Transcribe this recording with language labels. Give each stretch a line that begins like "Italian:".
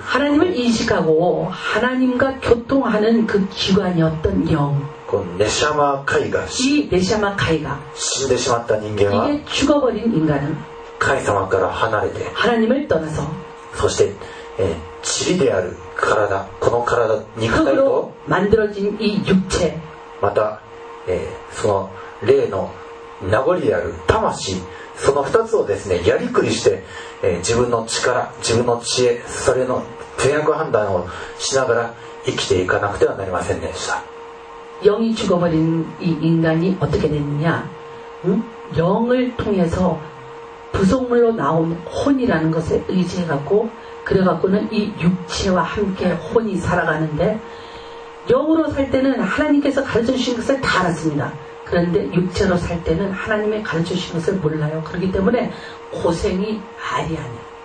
Korean: 하나님을인식하고하나님과교통하는그기관이었던영 그네샤마카이가 이네샤마카이가
Japanese: 死んでしまった人間は
Korean: 이게죽어버린인간은
Japanese: 神様から離れて
Korean: 하나님을떠나서
Japanese: そして塵である体この体肉体と
Korean: 흙으로만들어진이육체
Japanese: またその霊の名残である魂その2つをですねやりくりして、自分の力自分の知恵それの善悪判断をしながら生きていかなくてはなりませんでした
Korean: 영이죽어버린이인간이어떻게됐느냐영을통해서부속물로나온혼이라는것에의지해갖고그래갖고는이육체와함께혼이살아가는데영으로살때는하나님께서가르쳐주신것을다알았습니다그런데육체로살때는하나님의가르쳐주신것을몰라요그렇기때문에고생이아리아니